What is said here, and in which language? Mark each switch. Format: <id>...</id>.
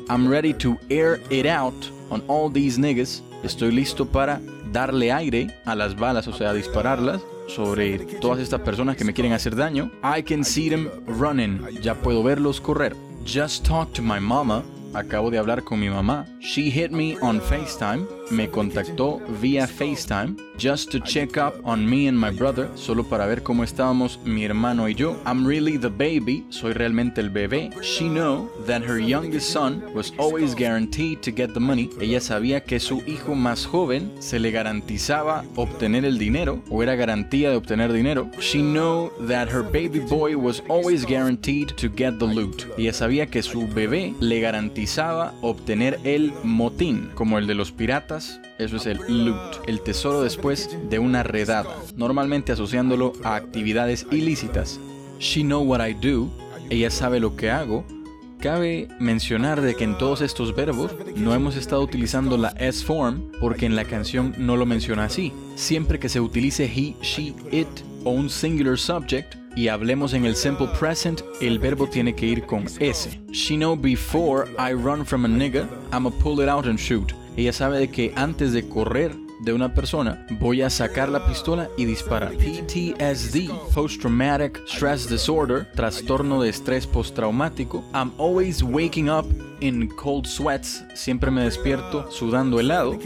<en>I'm ready to air it out on all these niggas.</en> <es>Estoy listo para darle aire a las balas, o sea, dispararlas sobre todas estas personas que me quieren hacer daño.</es> <en>I can see them running.</en> <es>Ya puedo verlos correr.</es> <en>Just talked to my mama.</en> <es>Acabo de hablar con mi mamá.</es> <en>She hit me on FaceTime.</en> <es>Me contactó vía FaceTime.</es> <en>Just to check up on me and my brother.</en> <es>Solo para ver cómo estábamos mi hermano y yo.</es> <en>I'm really the baby.</en> <es>Soy realmente el bebé.</es> <en>She knew that her youngest son was always guaranteed to get the money.</en> <es>Ella sabía que su hijo más joven se le garantizaba obtener el dinero, o era garantía de obtener dinero.</es> <en>She knew that her baby boy was always guaranteed to get the loot.</en> <es>Ella sabía que su bebé le garantizaba obtener el motín, como el de los piratas. Eso es el loot, el tesoro después de una redada, normalmente asociándolo a actividades ilícitas.</es> <en>She know what I do.</en> <es>Ella sabe lo que hago. Cabe mencionar de que en todos estos verbos no hemos estado utilizando la S form, porque en la canción no lo menciona así. Siempre que se utilice he, she, it o un singular subject y hablemos en el simple present, el verbo tiene que ir con S.</es> <en>She know before I run from a nigga, I'ma pull it out and shoot.</en> <es>Ella sabe de que antes de correr de una persona, voy a sacar la pistola y disparar. PTSD,</es> <en>Post Traumatic Stress Disorder,</en> <es>trastorno de estrés postraumático.</es> <en>I'm always waking up in cold sweats.</en> <es>Siempre me despierto sudando helado.</es>